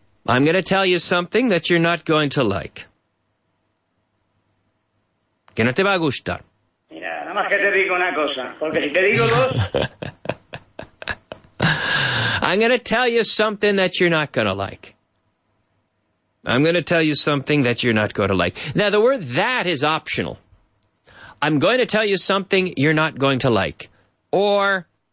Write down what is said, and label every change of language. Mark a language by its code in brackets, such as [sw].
[en] I'm going to tell you something that you're not going to like. [es] Que no te va a gustar. Mira, nada más que te digo una cosa, porque si te digo dos... [en] I'm going to tell you something that you're not going to like. I'm going to tell you something that you're not going to like. Now, the word that is optional. I'm going to tell you something you're not going to like. Or...